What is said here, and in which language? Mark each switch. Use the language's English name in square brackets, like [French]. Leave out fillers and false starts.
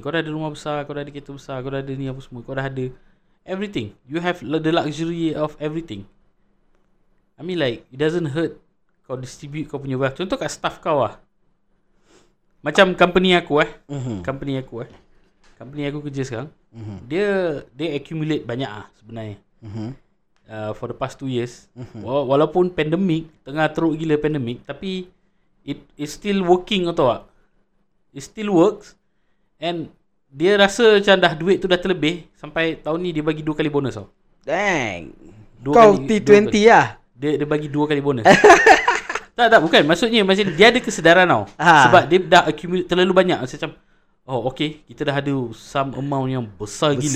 [Malay] Kau dah ada rumah besar, kau dah ada kereta besar, kau dah ada ni apa semua. Kau dah ada everything. [English] You have the luxury of everything. I mean like, it doesn't hurt [Malay] kau distribute kau punya wealth. Contoh kat staff kau lah. Macam company aku eh. Mm-hmm. Company aku kerja sekarang. Mm-hmm. Dia accumulate banyak ah sebenarnya. Mm-hmm. [English] For the past 2 years. [Malay] Mm-hmm. Walaupun pandemic, tengah teruk gila pandemic. Tapi, [English] it still working [Malay] tau tak? [English] It still works. And [Malay] dia rasa macam dah duit tu dah terlebih. Sampai tahun ni dia bagi 2 kali bonus tau. Dang. Kau T20 lah. Dia bagi 2 kali bonus. tak bukan. Maksudnya dia ada kesedaran tau. Ha. Sebab dia dah accumulate terlalu banyak. Macam oh okay. Kita dah ada some amount yang besar gila.